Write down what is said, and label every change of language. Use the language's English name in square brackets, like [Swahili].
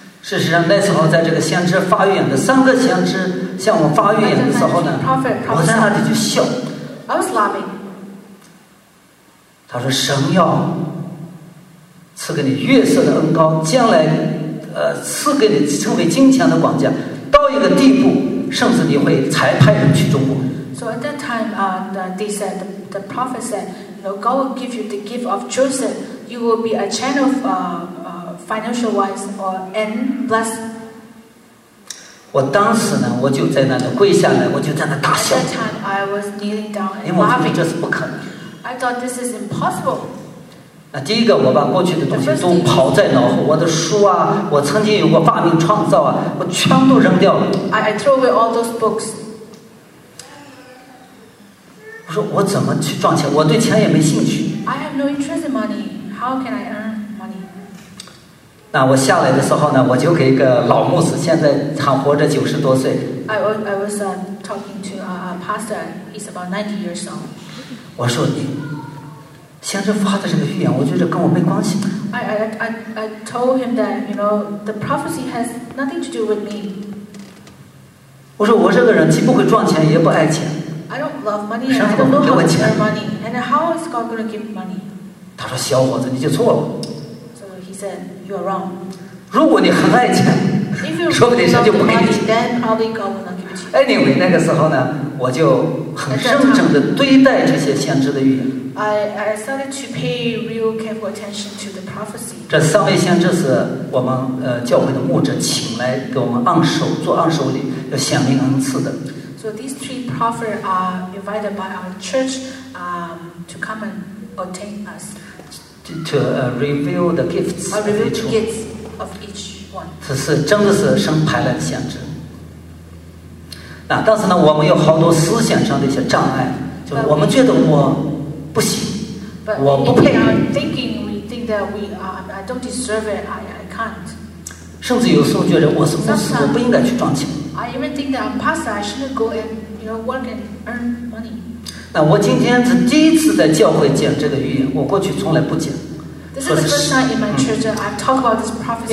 [Chinese] 事实上，那时候在这个先知发预言的三个先知向我发预言的时候呢，我在那里就笑。 [English] I was laughing. [Chinese] 他说：“神要赐给你月色的恩膏，将来赐给你成为金钱的管家，到一个地步。” 甚至你会裁派人去中国。 [English] So at that time, they said the prophet said, "You know, God will give you the gift of Joseph. You will be a channel of financial wise or and bless." [Chinese] 我当时呢，我就在那里跪下来，我就在那大笑。 [English] At that time, I was kneeling down and laughing. [Chinese] 因为这是不可能。 [English] I thought this is impossible. [Chinese] 那第一个，我把过去的东西都抛在脑后，我的书啊，我曾经有过发明创造啊，我全都扔掉了。 [English] I throw away all those books. [Chinese] 我说我怎么去赚钱？我对钱也没兴趣。 [English] I have no interest in money. How can I earn money? [Chinese] 那我下来的时候呢，我就给一个老牧师，现在还活着90多岁。 [English] I was talking to a pastor. He's about 90 years old. [Chinese] 我说你。先知发的这个预言，我觉得跟我没关系。 [English] I told him that you know the prophecy has nothing to do with me. [Chinese] 我说我这个人既不会赚钱，也不爱钱。 [English] I don't love money. And I don't know how to earn money. And how is God going to give money? [Chinese] 他说小伙子，你就错了。 [English] So he said you are wrong. [Chinese] 如果你很爱钱，说不定神就不给你钱。 [English] Then probably God will not give you. [Chinese] Anyway, 那个时候呢，我就很认真的对待这些先知的预言。 [English] I started to pay real careful attention to the prophecy. [Chinese] 这三位先知是我们教会的牧者请来给我们按手做按手礼，要显明恩赐的。 [English] So these three prophets are invited by our church to come and ordain us. To reveal the gifts. Reveal the gifts of each one. [Chinese] 是真的是神派来的先知。那但是呢，我们有好多思想上的一些障碍，就我们觉得我。不行， [English] but、 [Chinese] 我不配。 [English] Thinking, we think that we are. I don't deserve it. I can't. [Chinese] 甚至有时候觉得我是不是我不应该去赚钱。 [English] I even think that I'm pastor. I shouldn't go and you know work and earn money. [Chinese] 那我今天是第一次在教会讲这个预言，我过去从来不讲。 [English] This is the first time in my church I've talked about this prophecy.